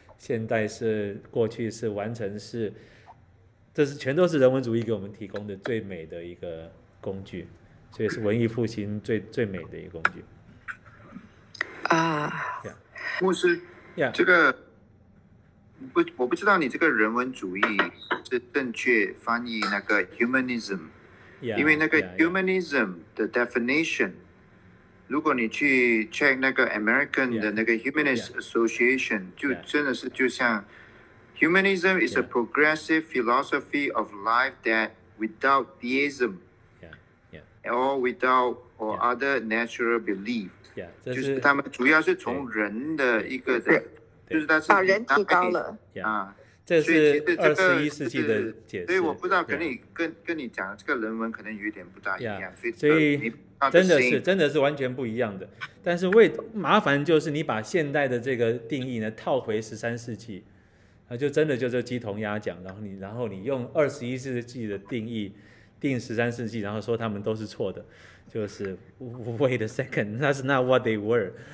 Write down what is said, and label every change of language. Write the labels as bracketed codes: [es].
[zh] 现代是过去是完成式，这是全都是人文主义给我们提供的最美的一个工具，所以是文艺复兴最美的一个工具。啊，牧师，这个我不知道你这个人文主义是正确翻译那个 humanism， 因为那个 humanism 的 definition。如果你去 check 那个 American 的那个 Humanist Association， 就真的是就像 [en] Humanism is a progressive philosophy of life that without theism or without or other natural belief， [zh] 就是他们主要是从人的一个的，就是他是把人提高了啊。这是21世纪的解释，所以我不知道跟你跟你讲这个人文可能有点不大一样，所以真的是完全不一样的。但是为麻烦就是你把现代的这个定义呢套回13世纪，那就真的就是鸡同鸭讲，然后你用21世纪的定义定13世纪，然后说他们都是错的，就是 [en] wait a second， that's not what they were。